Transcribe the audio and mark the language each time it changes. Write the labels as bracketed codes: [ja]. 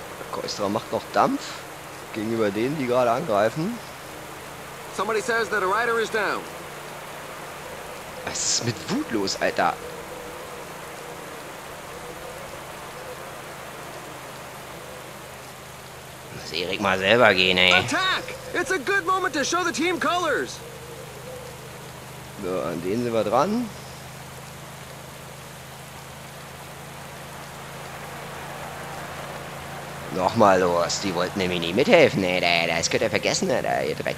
[de] Koistra macht noch Dampf gegenüber denen, die gerade angreifen. [en] Somebody says that a rider is down. [de] Was ist mit Wut los, Alter? Erik mal selber gehen, ey. [en] Attack! It's a good moment to show the team colors. [de] So, an denen sind wir dran. Nochmal los, die wollten nämlich nie mithelfen, ey. Das könnt ihr vergessen, Alter, ihr Dreck.